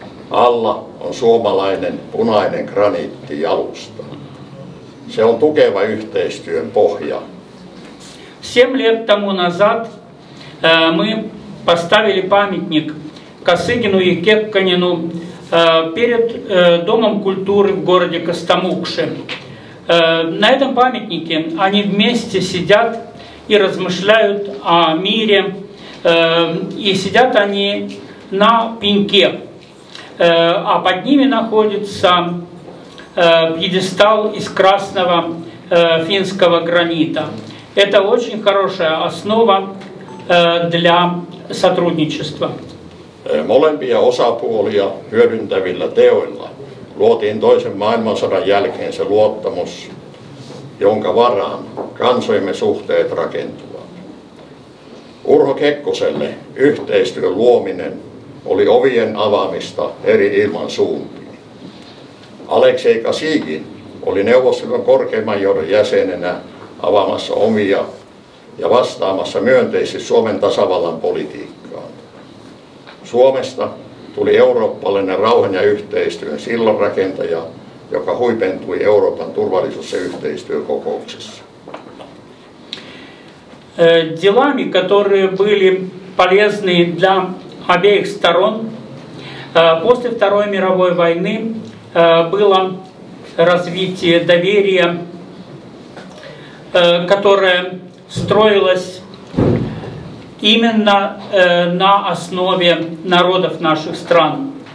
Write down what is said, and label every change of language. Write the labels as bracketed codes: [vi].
[fi] Alla on suomalainen punainen graniittijalusta. Se on tukeva yhteistyön pohja. [ru] 7 лет тому назад мы поставили памятник Косыгину и Кекконену перед домом культуры в городе Костомукше. На этом памятнике они вместе сидят и размышляют о мире, и сидят они на пеньке. А под ними находится пьедестал из красного финского гранита. Это очень хорошая основа для сотрудничества. [fi] Molempia osapuolia hyödyntävillä teoilla luotiin toisen maailmansodan jälkeen se luottamus, jonka varaan kansojemme suhteet rakentuvat. Urho Kekkoselle yhteistyön luominen oli ovien avaamista eri ilman suuntiin. Aleksei Kosygin oli neuvostoliiton korkeimman johdon jäsenenä avaamassa omia ja vastaamassa myönteisesti Suomen tasavallan politiikkaan. Suomesta tuli eurooppalainen rauhan ja yhteistyön sillanrakentaja, joka huipentui Euroopan turvallisuus- ja yhteistyökokouksessa. [ru] Делами, которые были полезны для обеих сторон, после Второй мировой войны было развитие доверия, которое строилось именно на основе народов наших стран.